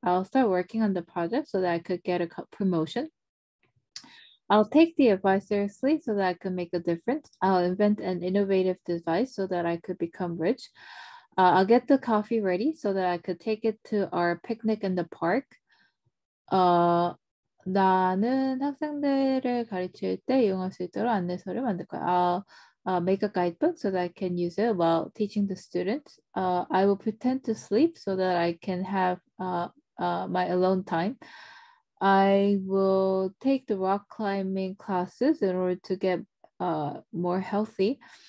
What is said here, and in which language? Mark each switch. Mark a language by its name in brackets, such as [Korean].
[English] I'll start working on the project so that I could get a promotion. I'll take the advice seriously so that I can make a difference. I'll invent an innovative device so that I could become rich. I'll get the coffee ready so that I could take it to our picnic in the park. [Korean] 나는 학생들을 가르칠 때 이용할 수 있도록 안내서를 만들 거야. [English] I'll make a guidebook so that I can use it while teaching the students. I will pretend to sleep so that I can have my alone time. I will take the rock climbing classes in order to get more healthy.